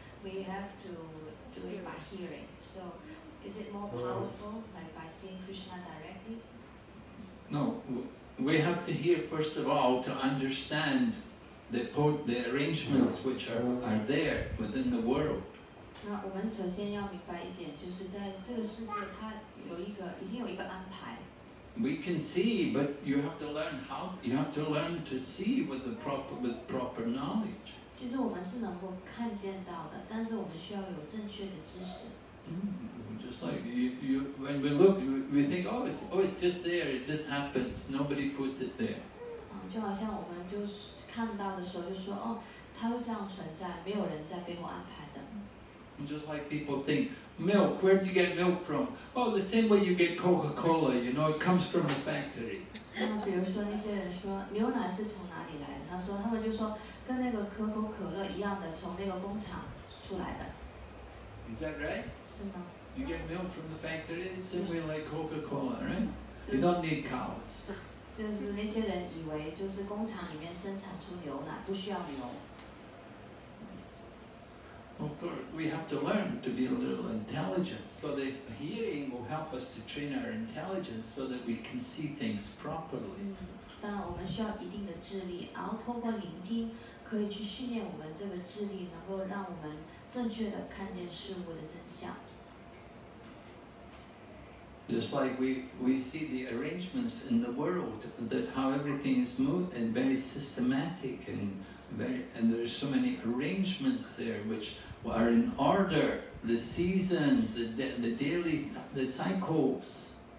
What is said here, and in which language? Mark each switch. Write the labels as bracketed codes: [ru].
[en] We have to do it by hearing. So, is it more powerful like by seeing Krishna directly? No, we have to hear first of all to understand the arrangements which are there within the world. [zh] 那我们首先要明白一点，就是在这个世界，它有一个已经有一个安排。 [en] We can see, but you have to learn how. You have to learn to see with proper knowledge. [zh] 其实我们是能够看见到的，但是我们需要有正确的知识。 [en] Just like you, when we look, we think, it's just there. It just happens. Nobody put it there. [zh] 就好像我们就是看到的时候就说，哦，它会这样存在，没有人在背后安排的。 [en] Just like people think, milk, where do you get milk from? Oh, the same way you get Coca-Cola, you know, it comes from a factory. [zh] 比如说那些人说牛奶是从哪里来的，他们就说跟那个可口可乐一样的，从那个工厂出来的。 [en] Is that right? [zh] 是吗？ [en] You get milk from the factory, same way like Coca-Cola, right? You don't need cows. [zh] 就是那些人以为就是工厂里面生产出牛奶，不需要牛。 [en] We have to learn to be a little intelligent, so the hearing will help us to train our intelligence so that we can see things properly. [zh] 当然我们需要一定的智力，然后透过聆听可以去训练我们这个智力，能够让我们正确的看见事物的真相。 [en] Just like we see the arrangements in the world, that how everything is smooth and very systematic and there are so many arrangements there which are in order, the seasons, the daily, the cycles.